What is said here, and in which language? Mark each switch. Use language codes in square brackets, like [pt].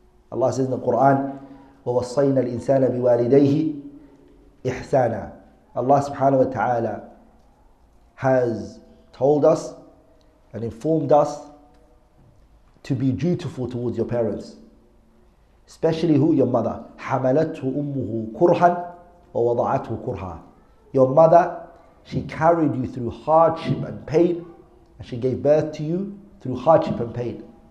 [en] Allah says in the Quran, [ar] وَوَصَّيْنَا الْإِنسَانَ بِوَالِدَيْهِ إِحْسَانًا. [en] Allah subhanahu wa ta'ala has told us and informed us to be dutiful towards your parents. Especially who? Your mother. [ar] حَمَلَتْهُ أُمُّهُ كُرْحًا وَوَضَعَتْهُ كُرْحًا. [en] Your mother, she carried you through hardship and pain, and she gave birth to you through hardship and pain.